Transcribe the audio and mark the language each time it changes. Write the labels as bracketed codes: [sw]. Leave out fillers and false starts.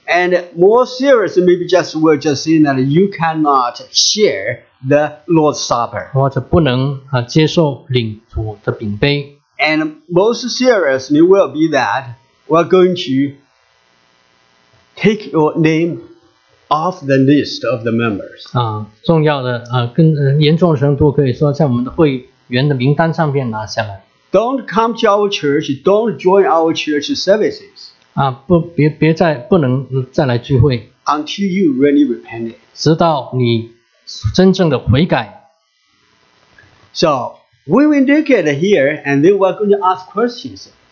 [en] And more serious, maybe just we'll just say that you cannot share the Lord's Supper. [zh] 或者不能接受领主的饼杯。 [en] And most seriously will be that we're going to take your name off the list of the members. [zh] 重要的，更严重程度可以说在我们的会员的名单上面拿下来。 [en] Don't come to our church, don't join our church services. [zh] 不能再来聚会。 [en] Until you really repent. [zh] 直到你真正的悔改。 [en] So, we will look at here and then we're going to ask questions.